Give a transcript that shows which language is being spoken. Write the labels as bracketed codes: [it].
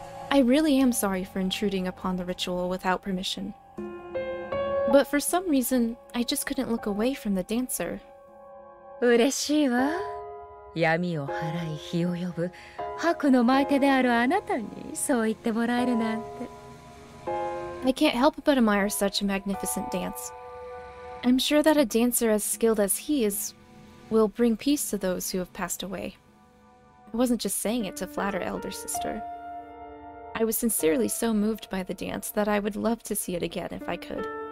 [en] I really am sorry for intruding upon the ritual without permission. But for some reason, I just couldn't look away from the dancer. [ja] 嬉しいわ。闇を払い火を呼ぶ白の舞手であるあなたにそう言ってもらえるなんて。I [en] can't help but admire such a magnificent dance. I'm sure that a dancer as skilled as he is will bring peace to those who have passed away. I wasn't just saying it to flatter Elder Sister. I was sincerely so moved by the dance that I would love to see it again if I could.